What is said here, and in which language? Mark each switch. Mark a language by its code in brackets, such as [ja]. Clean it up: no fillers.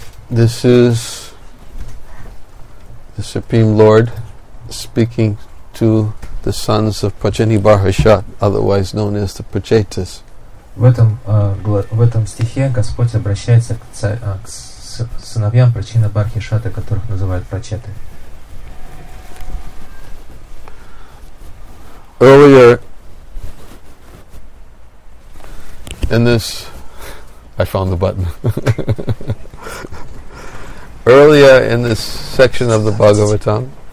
[en] This is the Supreme Lord speaking to the sons of Pajani Bharhashat, otherwise known as the Prachetas. [ru] В этом стихе Господь обращается к сыновьям Прачина Бархишата, которых называют Прачеты. [en] Earlier in this, I found the button. Earlier in this section of the Bhagavatam,